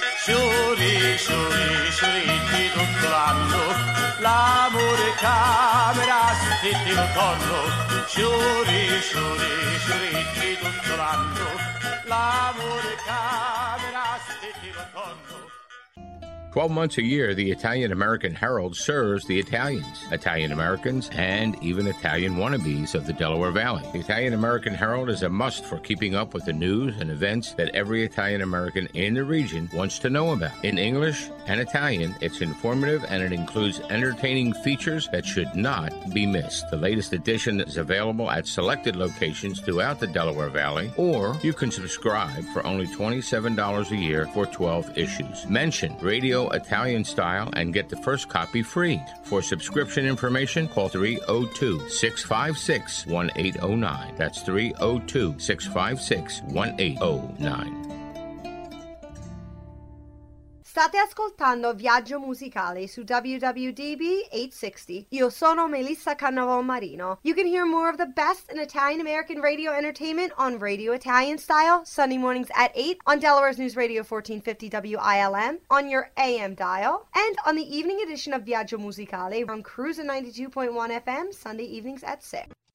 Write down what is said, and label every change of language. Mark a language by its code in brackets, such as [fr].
[scn] Sciuri, sciuri, sciuri di tutto l'anno, l'amore camerasti di ritorno. Sciuri, sciuri, sciuri di tutto l'anno, l'amore camerasti di ritorno. [en] 12 months a year, the Italian American Herald serves the Italians, Italian Americans, and even Italian wannabes of the Delaware Valley. The Italian American Herald is a must for keeping up with the news and events that every Italian American in the region wants to know about. In English and Italian, it's informative and it includes entertaining features that should not be missed. The latest edition is available at selected locations throughout the Delaware Valley, or you can subscribe for only $27 a year for 12 issues. Mention Radio Italian Style and get the first copy free. For subscription information, call 302-656-1809. That's 302-656-1809. [it] State ascoltando Viaggio Musicale su WWDB 860. Io sono Melissa Cannavolmarino. [en] You can hear more of the best in Italian-American radio entertainment on Radio Italian Style, Sunday mornings at 8 on Delaware's News Radio 1450 WILM, on your AM dial, and on the evening edition of Viaggio Musicale on Cruiser 92.1 FM, Sunday evenings at 6.